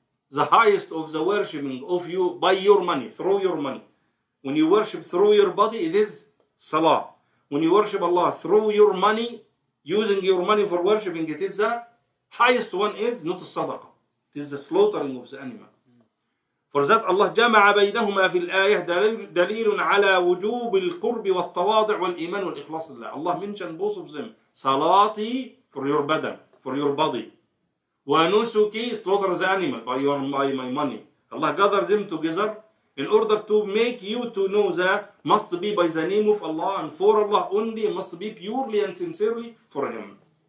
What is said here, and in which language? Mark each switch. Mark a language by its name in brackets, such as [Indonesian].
[English] The highest of the worshipping of you by your money, through your money. When you worship through your body, it is salah. When you worship Allah through your money, using your money for worshipping, it is the highest one is not الصَّدَقَة. It is the slaughtering of the animal. For that [Arabic] Allah جمع بينهما في الآية دليل على وجوب القرب والتواضع والإيمان والإخلاص لله. [English] Allah mentioned both of them. صلاتي for your body, for your body. ونسكي slaughter the animal by your by my money. Allah gathered them together in order to make you to know that must be by the name of Allah and for Allah only, must be purely and sincerely for Him.